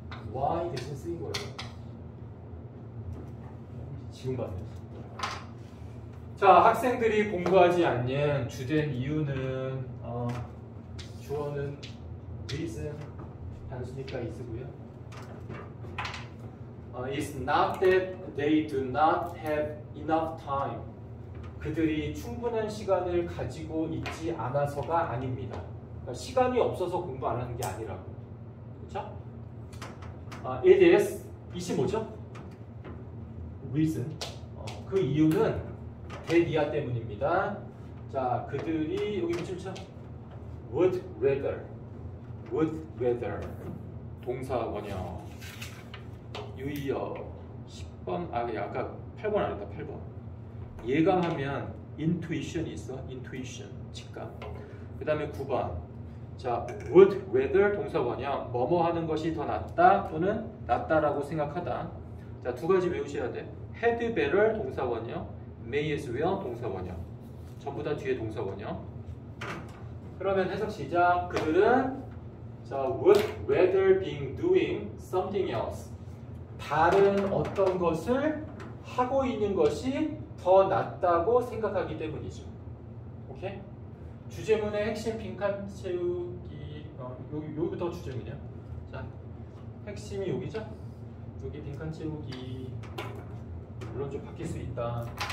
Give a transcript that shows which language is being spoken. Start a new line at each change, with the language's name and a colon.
Korean: Why 대신 쓰인 거야? 지금 봤네. 자, 학생들이 공부하지 않는 주된 이유는 주어는 reason 단순이니까 있으고요.
English: It's not that they do not have enough time.
Korean: 그들이 충분한 시간을 가지고 있지 않아서가 아닙니다. 그러니까 시간이 없어서 공부 안 하는 게 아니라고. 그렇죠?
English: It is
Korean: 이게 뭐죠? Reason. 그 이유는 대니아 때문입니다. 자, 그들이 여기 붙임 쳐. Would rather. Would rather. 동사 원형. 유의어. 10번. 아, 아까 8번 안 했다. 8번. 예감하면 intuition 있어. Intuition. 직감. 그 다음에 9번. 자, would rather 동사 원형. 뭐뭐 하는 것이 더 낫다 또는 낫다라고 생각하다. 자, 두 가지 외우셔야 돼. Had better 동사 원형. May as well 동사 원형. 전부 다 뒤에 동사 원형. 그러면 해석 시작. 그들은 자,
English: would rather being doing something else.
Korean: 다른 어떤 것을 하고 있는 것이 더 낫다고 생각하기 때문이죠. 오케이? 주제문의 핵심 빈칸 채우기. 여기부터 주제문이야. 자, 핵심이 여기죠? 여기 빈칸 채우기. 물론 좀 바뀔 수 있다.